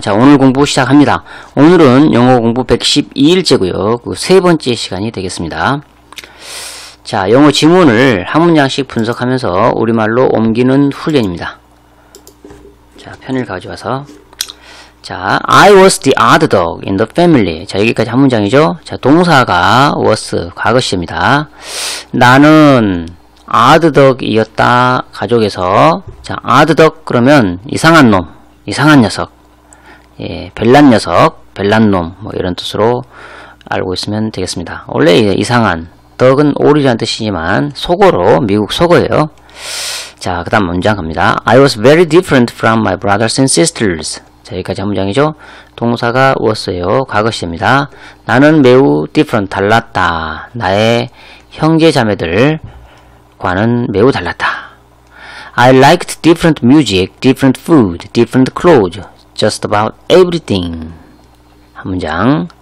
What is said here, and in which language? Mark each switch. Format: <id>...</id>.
<ko>자, 오늘 공부 시작합니다. 오늘은 영어 공부 112일째고요. 그 세 번째 시간이 되겠습니다. 자, 영어 지문을 한 문장씩 분석하면서 우리말로 옮기는 훈련입니다. 자, 펜을 가져와서. 자,</ko> <en>I was the odd dog in the family.</en> <ko>자, 여기까지 한 문장이죠. 자, 동사가 was, 과거시제입니다. 나는 아드덕이었다, 가족에서. 자, 아드덕, 그러면, 이상한 놈, 이상한 녀석, 예, 별난 녀석, 별난 놈, 뭐, 이런 뜻으로 알고 있으면 되겠습니다. 원래 이상한, 덕은 오리라는 뜻이지만, 속어로, 미국 속어예요. 자, 그 다음 문장 갑니다.</ko> <en>I was very different from my brothers and sisters.</en> <ko>자, 여기까지 한 문장이죠. 동사가 was예요. 과거시제입니다. 나는 매우 different, 달랐다. 나의 형제 자매들, 과는 매우 달랐다.</ko> <en>I liked different music, different food, different clothes, just about everything.</en> <ko>한 문장.</ko>